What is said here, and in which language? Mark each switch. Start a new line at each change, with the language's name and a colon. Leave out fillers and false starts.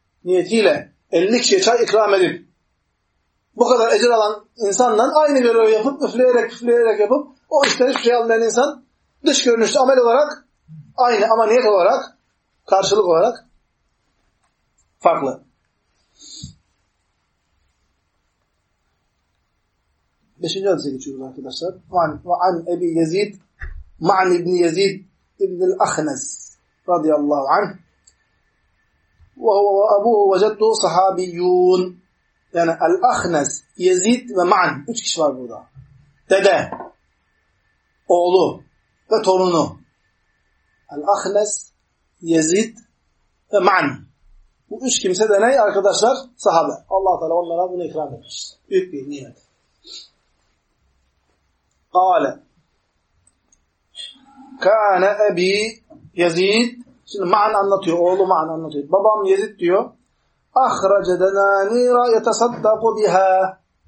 Turkish: Niyetiyle 50 kişiye çay ikram edip bu kadar ecir alan insanla aynı görevi yapıp üfleyerek üfleyerek yapıp o işten hiçbir şey almayan insan dış görünüşte amel olarak aynı ama niyet olarak karşılık olarak farklı. Beşinci hadise geçiyoruz arkadaşlar.
Arabic: وَعَنْ اَبِي يَزِيدْ مَعْنْ اِبْنِ يَزِيدْ اِبْنِ الْأَخْنَزِ رَضِيَ اللّٰهُ عَنْهُ وَهُوَ وَأَبُوهُ وَجَدُّ صَحَابِيُّونَ
Turkish: Yani
Arabic: الْأَخْنَزِ يَزِيدْ وَمَعْنْ
Turkish: Üç kişi var burada. Dede, oğlu ve torunu. الْأَخْنَزِ يَزِيدْ وَمَعْنْ Bu üç kimse de ne arkadaşlar? Sahabe. Allah-u Teala onlara bunu ikram etmiş. Büyük bir nimet.
Arabic: قال كان ابي يزيد
Turkish: şimdi
Arabic: معن
Turkish: anlatıyor oğlu
Arabic: معن
Turkish: anlatıyor babam Yezid diyor
Arabic: اخرج دنانير يتصدق بها